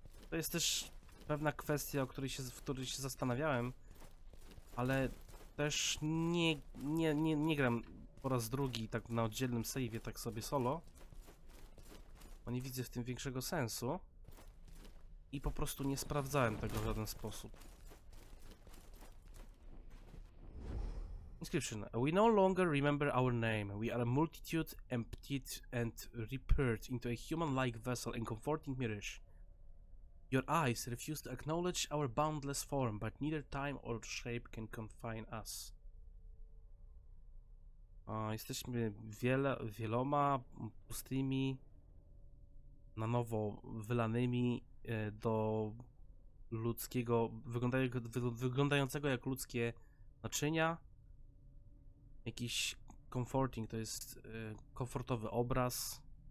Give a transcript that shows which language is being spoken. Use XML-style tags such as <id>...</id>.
<pl>To jest też pewna kwestia, o której się, w której się zastanawiałem, ale też nie gram po raz drugi tak na oddzielnym save'ie, tak sobie solo, bo nie widzę w tym większego sensu i po prostu nie sprawdzałem tego w żaden sposób.</pl> <en>Inscription. We no longer remember our name. We are a multitude emptied and repaired into a human-like vessel and comforting mirror. Your eyes refuse to acknowledge our boundless form, but neither time or shape can confine us.</en> <pl>Jesteśmy wieloma pustymi, na nowo wylanymi do ludzkiego, wyglądającego jak ludzkie naczynia. Jakiś comforting, to jest komfortowy obraz.</pl>